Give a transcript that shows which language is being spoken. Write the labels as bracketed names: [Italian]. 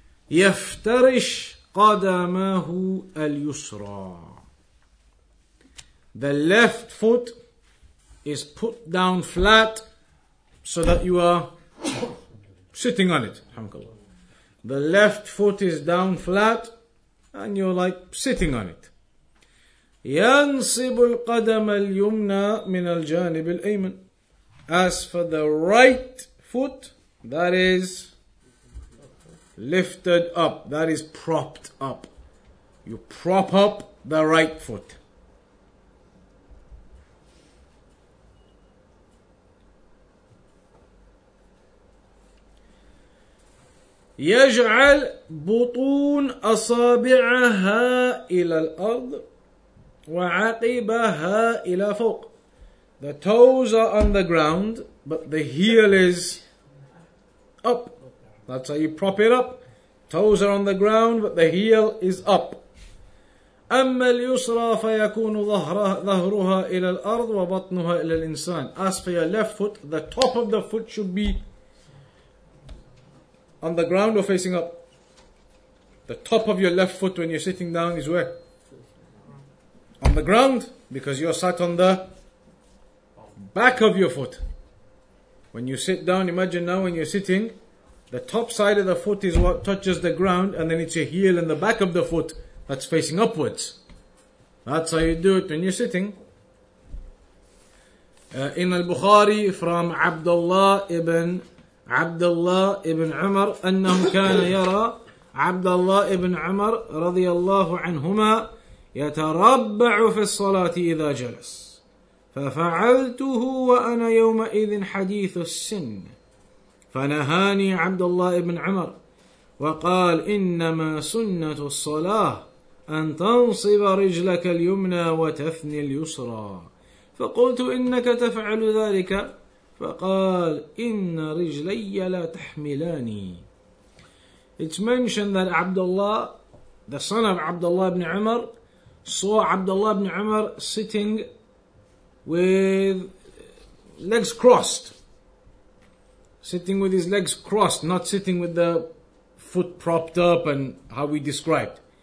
[Arabic] يفترش قدمه اليسرى. [English] The left foot is put down flat so that you are sitting on it. The left foot is down flat and you're like sitting on it. [Arabic] ينصب القدم اليمنى من الجانب الأيمن. [English] As for the right foot, that is lifted up, that is propped up. You prop up the right foot. [Arabic] يجعل بطون أصابعها إلى الأرض وعقبها إلى فوق. [English] The toes are on the ground, but the heel is up. That's how you prop it up. Toes are on the ground, but the heel is up. [Arabic] أما اليسرى فيكون ظهرها إلى الأرض وبطنها إلى الإنسان. [English] As for your left foot, the top of the foot should be on the ground or facing up? The top of your left foot when you're sitting down is where? On the ground, because you're sat on the back of your foot. When you sit down, imagine now when you're sitting, the top side of the foot is what touches the ground, and then it's your heel and the back of the foot that's facing upwards. That's how you do it when you're sitting. In al-Bukhari, from Abdullah ibn Umar, [Arabic] أنه كان يرى عبد الله ابن عمر رضي الله عنهما يتربع في الصلاة إذا جلس ففعلته وأنا يومئذ حديث السن فنهاني عبد الله ابن عمر وقال إنما سنة الصلاة أن تنصب رجلك اليمنى وتثني اليسرى فقلت إنك تفعل ذلك فقال إن رجلي لا تحملاني. [English] It's mentioned that Abdullah, the son of Abdullah ibn Umar, saw Abdullah ibn Umar sitting with legs crossed. Sitting with his legs crossed, not sitting with the foot propped up and how we described.